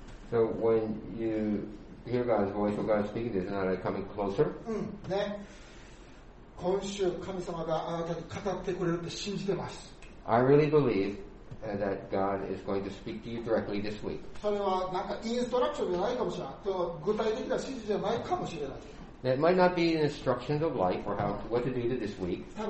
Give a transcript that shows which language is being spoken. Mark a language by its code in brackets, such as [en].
[en] So when you hear God's voice or God speaking, isn't that like coming closer? Yes. [ja] 今週神様があなたに語ってくれると信じてます。 [en] I really believe that God is going to speak to you directly this week. [ja] それはなんかインストラクションじゃないかもしれない。具体的な指示じゃないかもしれない。 [en] That might not be the instructions of life or how, what to do to this week.